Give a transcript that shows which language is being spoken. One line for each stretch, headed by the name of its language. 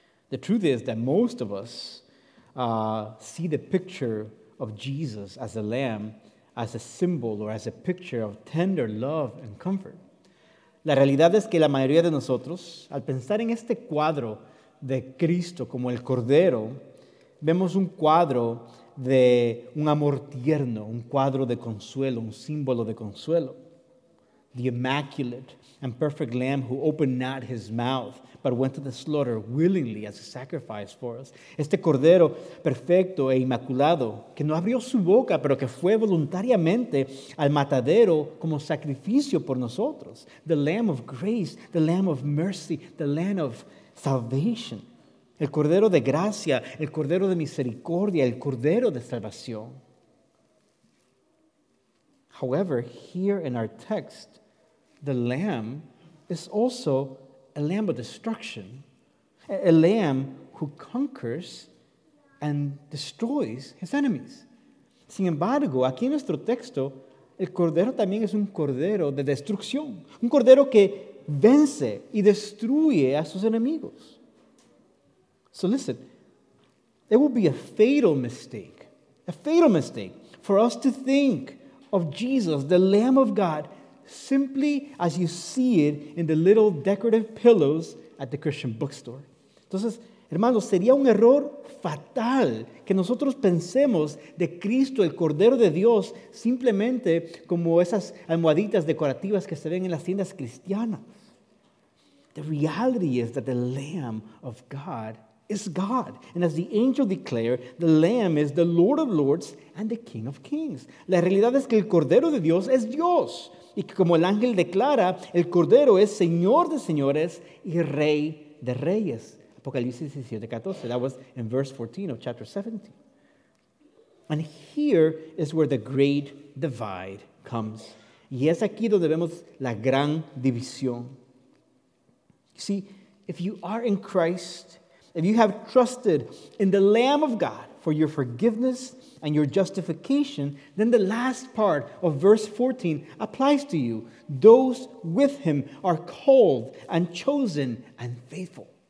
English: The truth is that most of us see the picture of Jesus as a lamb as a symbol or as a picture of tender love and comfort.
Spanish: La realidad es que la mayoría de nosotros, al pensar en este cuadro de Cristo como el Cordero, vemos un cuadro de un amor tierno, un cuadro de consuelo, un símbolo de consuelo.
English: The immaculate and perfect lamb who opened not his mouth, but went to the slaughter willingly as a sacrifice for us.
Spanish: Este cordero perfecto e inmaculado, que no abrió su boca, pero que fue voluntariamente al matadero como sacrificio por nosotros.
English: The lamb of grace, the lamb of mercy, the lamb of salvation.
Spanish: El cordero de gracia, el cordero de misericordia, el cordero de salvación.
English: However, here in our text, the lamb is also a lamb of destruction, a lamb who conquers and destroys his enemies.
Spanish: Sin embargo, aquí en nuestro texto, el cordero también es un cordero de destrucción, un cordero que vence y destruye a sus enemigos.
English: So listen, it would be a fatal mistake for us to think of Jesus, the Lamb of God, simply as you see it in the little decorative pillows at the Christian bookstore.
Spanish: Entonces, hermanos, sería un error fatal que nosotros pensemos de Cristo, el Cordero de Dios, simplemente como esas almohaditas decorativas que se ven en las tiendas cristianas.
English: The reality is that the Lamb of God is God. And as the angel declared, the Lamb is the Lord of Lords and the King of Kings.
Spanish: La realidad es que el Cordero de Dios es Dios. Y que como el ángel declara, el Cordero es Señor de señores y Rey de reyes. Apocalipsis 17:14.
English: That was in verse 14 of chapter 17. And here is where the great divide comes.
Spanish: Y es aquí donde vemos la gran división.
English: See, if you are in Christ, if you have trusted in the Lamb of God for your forgiveness and your justification, then the last part of verse 14 applies to you. Those with him are called and chosen and faithful.